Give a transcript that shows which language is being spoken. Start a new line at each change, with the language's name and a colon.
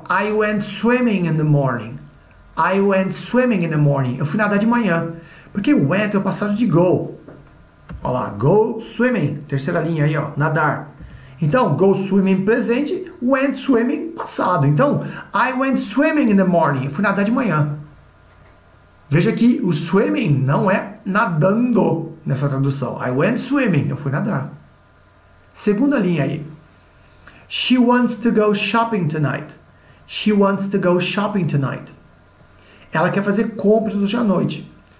English: I went swimming in the morning. I went swimming in the morning.
Portuguese: Eu fui nadar de manhã. Porque went é o passado de go. Olha lá, go swimming. Terceira linha aí, ó. Nadar. Então,
English: go swimming
Portuguese: presente,
English: went swimming
Portuguese: passado. Então,
English: I went swimming in the morning.
Portuguese: Eu fui nadar de manhã. Veja que o swimming não é nadando nessa tradução.
English: I went swimming.
Portuguese: Eu fui nadar. Segunda linha aí.
English: She wants to go shopping tonight. She wants to go shopping tonight.
Portuguese: Ela quer fazer compras hoje à noite.